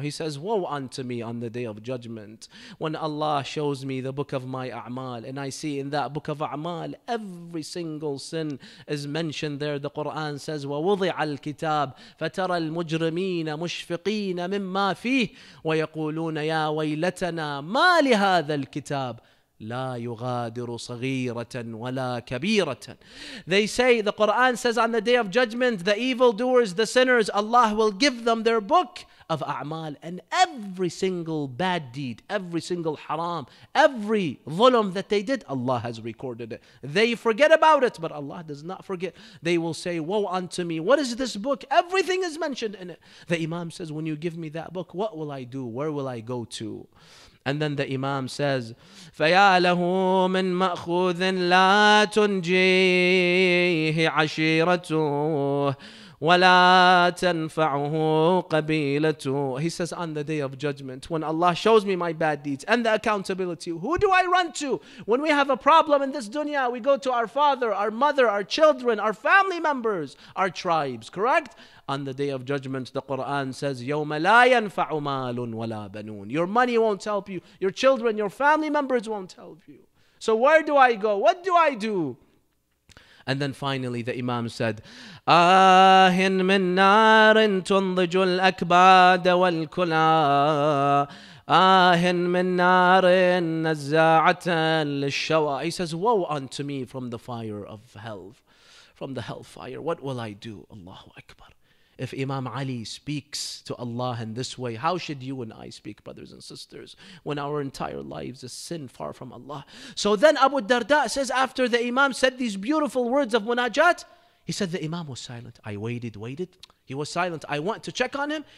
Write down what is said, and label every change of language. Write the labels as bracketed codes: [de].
[en] He says, woe unto me on the day of judgment when Allah shows me the book of my a'mal, and I see in that book of a'mal every single sin is mentioned there. The Quran says, [ar] وَوُضِعَ الْكِتَابِ فَتَرَى الْمُجْرِمِينَ مُشْفِقِينَ مِمَّا فِيهِ وَيَقُولُونَ يَا وَيْلَتَنَا مَا لِهَذَا الْكِتَابِ لا يغادر صغيرة ولا كبيرة. [en] They say, the Quran says, on the day of judgment, the evildoers, the sinners, Allah will give them their book of a'mal, and every single bad deed, every single haram, every dhulam that they did, Allah has recorded it. They forget about it, but Allah does not forget. They will say, woe unto me, what is this book? Everything is mentioned in it. The Imam says, when you give me that book, what will I do? Where will I go to? And then the Imam says, [ar] فَيَا لَهُ مِن مَأْخُوذٍ لَا تُنْجِيهِ عَشِيرَتُهُ وَلَا تَنْفَعُهُ قَبِيلَتُهُ. [en] He says, on the day of judgment, when Allah shows me my bad deeds and the accountability, who do I run to? When we have a problem in this dunya, we go to our father, our mother, our children, our family members, our tribes, correct? On the day of judgment, the Quran says, [ar] يَوْمَ لَا يَنْفَعُ مَالٌ وَلَا بَنُونَ. [en] Your money won't help you. Your children, your family members won't help you. So where do I go? What do I do? And then finally, the Imam said, [ar] أَهِنْ مِنْ نَارٍ تُنْضِجُ الْأَكْبَادَ وَالْكُلَىٰ أَهِنْ مِنْ نَارٍ نَزَّاعَةً لِلشَّوَىٰ. [en] He says, woe unto me from the fire of hell, from the hellfire. What will I do? Allahu Akbar. If Imam Ali speaks to Allah in this way, how should you and I speak, brothers and sisters, when our entire lives is sin far from Allah? So then Abu Darda says, after the Imam said these beautiful words of munajat, he said the Imam was silent. I waited. He was silent. I went to check on him.